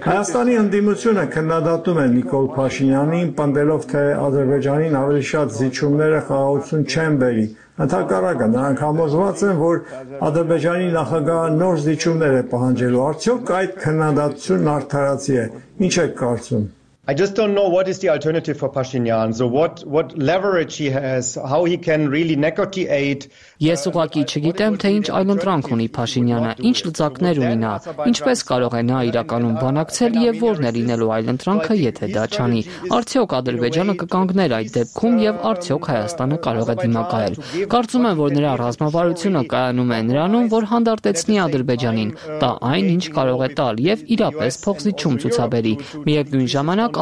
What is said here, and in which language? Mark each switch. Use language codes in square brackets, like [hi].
[hy] Հայաստանի ընդդիմությունը քննադատում է Նիկոլ Փաշինյանին, պնդելով, թե Ադրբեջանին ավելի շատ զիջումները խաղաղություն չեն բերի։ Ընդհակառակը, նրանք համոզված են, որ Ադրբեջանի նախագահը նոր զիջումներ է պահանջելու։ Արդյոք այդ քննադատությունն արդարացի է, ինչ եք կարծում։ [en] I just don't know what is the alternative for Pashinyan. So what leverage he has, how he can really negotiate. [hy] Ես ուղղակի չգիտեմ, թե ինչ այլ ընտրանք ունի Փաշինյանը, ինչ լծակներ ունի նա, ինչպես կարող է նա իրականում բանակցել և որն է լինելու այլ ընտրանքը, եթե դա չանի։ Արդյոք Ադրբեջանը կկանգներ այդ դեպքում և արդյոք Հայաստանը կարող է դիմակայել։ Կարծում եմ, որ նրա ռազմավարությունը կայանում է նրանում, որ հանդարտեցնի Ադրբեջանին, տա այն, ինչ կարող է տալ, և իրապես փոխզիջում ցուցաբերի։ Միևնույն ժամանակ